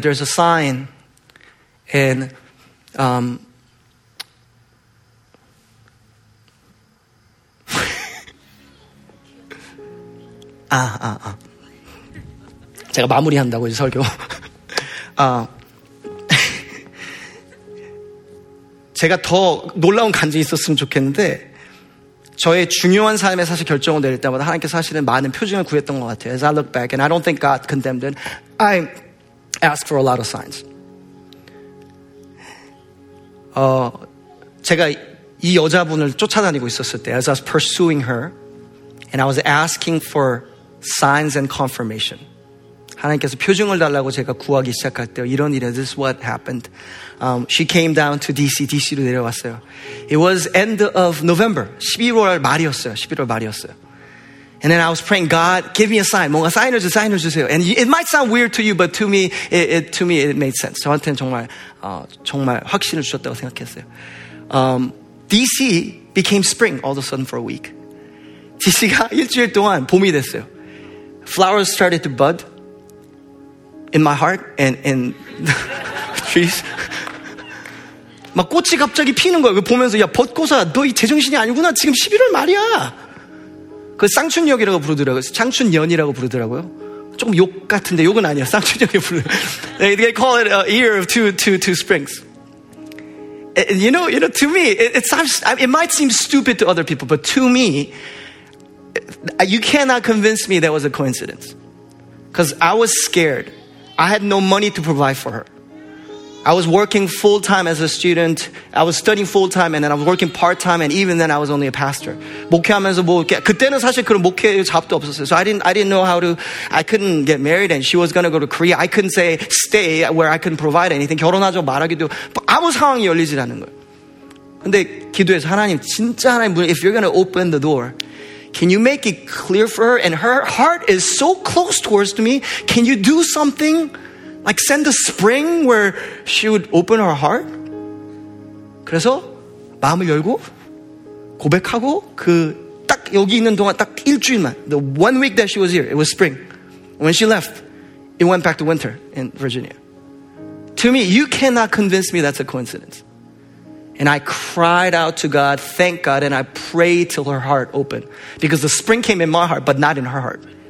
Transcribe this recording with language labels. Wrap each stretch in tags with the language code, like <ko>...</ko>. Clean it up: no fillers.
<en>There's a sign and</en> <ko>(웃음) 제가 마무리한다고 이제 설교. 아, 제가 더 놀라운 간증이 있었으면 좋겠는데 저의 중요한 삶에 사실 결정을 내릴 때마다 하나님께 사실은 많은 표징을 구했던 것 같아요.</ko> <en>As I look back and I don't think God condemned it, I ask for a lot of signs.</en> <ko>제가 이 여자분을 쫓아다니고 있었을 때,</ko> <en>as I was pursuing her, and I was asking for signs and confirmation.</en> <ko>하나님께서 표징을 달라고 제가 구하기 시작할 때 이런 일이</ko> <en>this is what happened. She came down to DC.</en> <ko>DC로 내려왔어요.</ko> <en>It was end of November.</en> <ko>11월 말이었어요. 11월 말이었어요.</ko> <en>And then I was praying, God, give me a sign.</en> <ko>뭔가 사인을 주세요. 사인을 주세요.</ko> <en>And it might sound weird to you, but to me, it made sense.</en> <ko>저한테는 정말 정말 확신을 주셨다고 생각했어요.</ko> <en>DC became spring all of a sudden for a week.</en> <ko>DC가 일주일 동안 봄이 됐어요.</ko> <en>Flowers started to bud in my heart and trees.</en> <ko>막 꽃이 갑자기 피는 거예요. 보면서 야 벚꽃아, 너 이 제정신이 아니구나. 지금 11월 말이야. 그 쌍춘역이라고 부르더라고요. 쌍춘년이라고 부르더라고요. 조금 욕 같은데 욕은 아니야. 쌍춘년이 부르.</ko> <en>They call it a year of two springs. And you know, to me, it might seem stupid to other people, but to me, you cannot convince me that was a coincidence. Because I was scared. I had no money to provide for her. I was working full-time as a student. I was studying full-time and then I was working part-time and even then I was only a pastor.</en> <ko>목회하면서 뭐, 그때는 사실 그런 목회의 잡도 없었어요.</ko> <en>So I didn't know how to, I couldn't get married and she was gonna go to Korea. I couldn't say stay where I couldn't provide anything.</en> <ko>결혼하자고 말하기도, 아무 상황이 열리질 않는 거예요. 근데 기도해서 하나님, 진짜 하나님,</ko> <en>if you're gonna open the door, can you make it clear for her? And her heart is so close towards me. Can you do something? Like send a spring where she would open her heart.</en> <ko>그래서 마음을 열고 고백하고 그 딱 여기 있는 동안 딱 일주일만.</ko> <en>The one week that she was here, it was spring. When she left, it went back to winter in Virginia. To me, you cannot convince me that's a coincidence. And I cried out to God, thank God, and I prayed till her heart opened. Because the spring came in my heart, but not in her heart.</en>